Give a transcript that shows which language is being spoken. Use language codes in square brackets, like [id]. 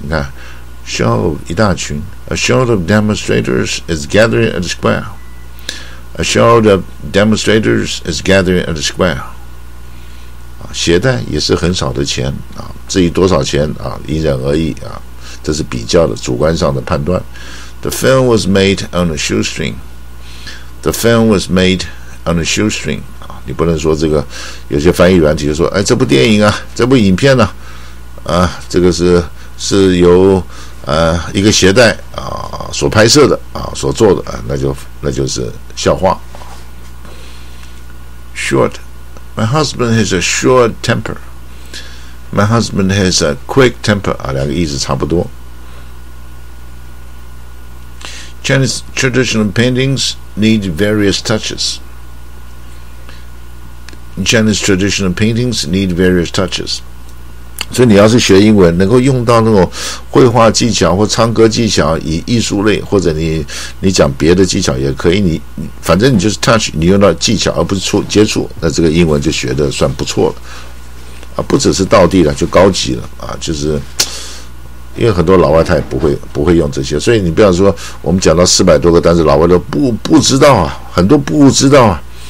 [zh] 你看 [en] ，show [zh] 一大群 [en] ，a show of demonstrators is gathering at the square，a show of demonstrators is gathering at the square。 [zh] 携带也是很少的钱啊，至于多少钱啊，因人而异啊，这是比较的主观上的判断。 [en] The film was made on a shoestring. The film was made on a shoestring. [zh] 啊，你不能说这个，有些翻译软体就说，哎，这部电影啊，这部影片呢，啊，这个是由一个携带啊所拍摄的啊所做的啊，那就是笑话。 [en] Short. My husband has a short temper. My husband has a quick temper. [zh] 啊，两个意思差不多。 [en] Chinese traditional paintings need various touches. Chinese traditional paintings need various touches. [zh] 所以你要是学英文，能够用到那种绘画技巧或唱歌技巧，以艺术类，或者你讲别的技巧也可以，你反正你就是 touch， 你用到技巧而不是接触，那这个英文就学的算不错了啊，不只是道地了，就高级了啊，就是因为很多老外他也不会用这些，所以你不要说我们讲到400多个单词，老外都不知道啊，很多不知道啊。